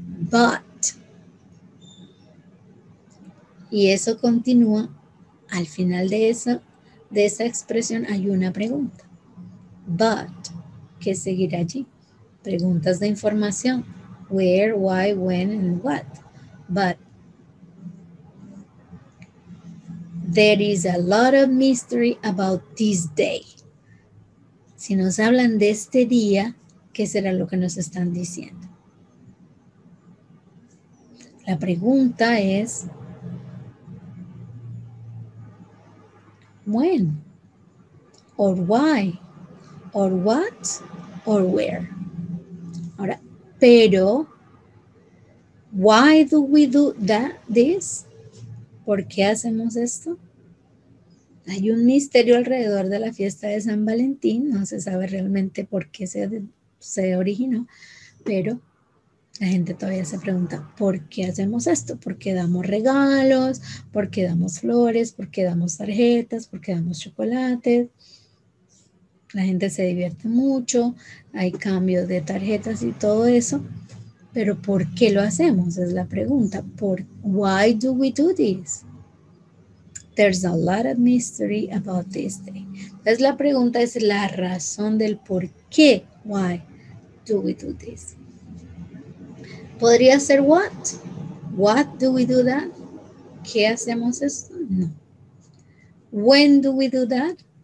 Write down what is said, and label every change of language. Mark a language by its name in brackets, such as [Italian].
[Spanish] But, y eso continúa, al final de esa expresión hay una pregunta. But, que seguir allí. Preguntas de información. [English] Where, why, when, and what. But there is a lot of mystery about this day. [Spanish] Si nos hablan de este día, ¿qué será lo que nos están diciendo? La pregunta es, [English] when? Or why? Or what? Or where. [Spanish] Ahora, pero, [English] why do we do that, this? [Spanish] ¿Por qué hacemos esto? Hay un misterio alrededor de la fiesta de San Valentín, no se sabe realmente por qué se originó, pero la gente todavía se pregunta, ¿por qué hacemos esto? ¿Por qué damos regalos? ¿Por qué damos flores? ¿Por qué damos tarjetas? ¿Por qué damos chocolates? La gente se divierte mucho, hay cambios de tarjetas y todo eso, pero ¿por qué lo hacemos? Es la pregunta. [English] Why do we do this? There's a lot of mystery about this day. [Spanish] Entonces la pregunta es la razón del por qué. [English] Why do we do this? [Spanish] ¿Podría ser [English] what? What do we do that? [Spanish] ¿Qué hacemos esto? No. [English] When do we do that?